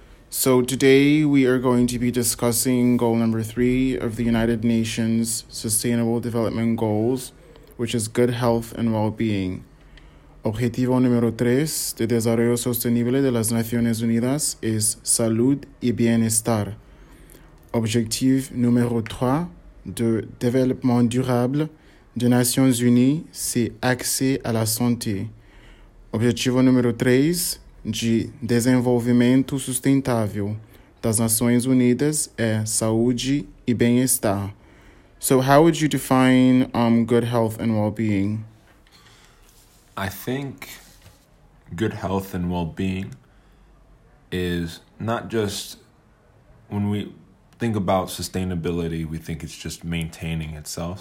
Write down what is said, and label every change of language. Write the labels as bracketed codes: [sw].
[en] So today we are going to be discussing goal number 3 of the United Nations Sustainable Development Goals, which is good health and well-being. [es] Objetivo número 3 de Desarrollo Sostenible de las Naciones Unidas es salud y bienestar. [fr] Objectif número 3 de Développement Durable des Nations Unies, c'est accès à la santé. [pt] Objetivo número 3 de Desenvolvimento Sustentável das Nações Unidas é saúde e bem-estar. [en] So how would you define good health and well-being? I think good health and well-being is not just when we think about sustainability, we think it's just maintaining itself.